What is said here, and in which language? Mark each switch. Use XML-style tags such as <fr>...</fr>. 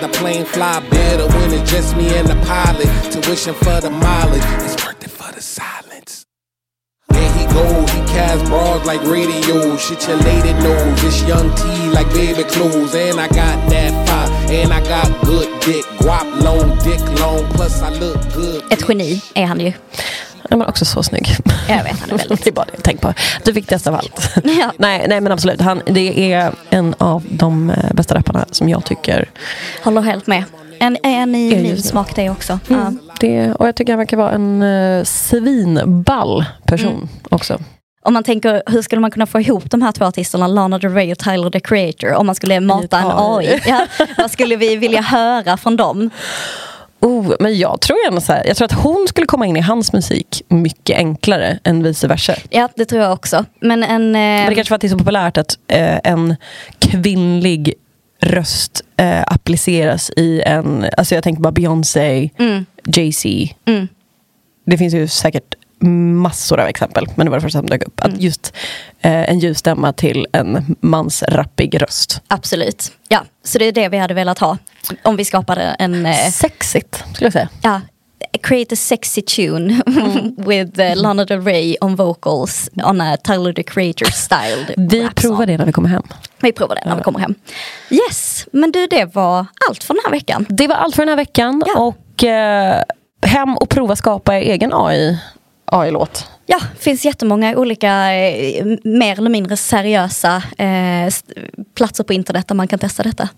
<en>The plane fly better when it's just me and the pilot. Tuition for the mileage, it's worth it for the silence. There he go, he cast bras like radio. Shit your lady knows, this young T like baby clothes. And I got that five, and I got good dick. Guap long, dick long, plus I look good.</en> <sv>Ett geni är han ju. Han är också så snygg. Jag vet, han är väldigt. Det är bara det jag tänkte på. Du fick det av allt. Ja. Nej, men absolut. Han, det är en av de bästa rapparna som jag tycker. Håller helt med. En ny smak det också. Mm. Ja. Det, och jag tycker han verkar vara en svinball person också. Om man tänker, hur skulle man kunna få ihop de här två artisterna, Lana Del Rey och Tyler, the Creator, om man skulle mata en AI? Ja, vad skulle vi vilja höra från dem? Oh, men jag tror ändå så här, jag tror att hon skulle komma in i hans musik mycket enklare än vice versa. Ja, det tror jag också. Men, men det kanske var att det är så populärt att en kvinnlig röst appliceras i en, alltså jag tänker bara Beyoncé, Jay-Z. Det finns ju säkert massor av exempel, men det var det första som dök upp. Att just en ljus stämma till en mans rappig röst. Absolut, ja. Så det är det vi hade velat ha, om vi skapade en sexigt, skulle jag säga.</sv> <en>Ja, create a sexy tune with Lana Del Rey on vocals on a Tyler, the Creator styled</en> <sv>Vi provar det när vi kommer hem. Vi provar det när vi kommer hem. Yes, men du, det var allt för den här veckan. Det var allt för den här veckan. Ja. Och hem och prova skapa egen AI-låt. Ja, det finns jättemånga olika mer eller mindre seriösa platser på internet där man kan testa detta.</sv>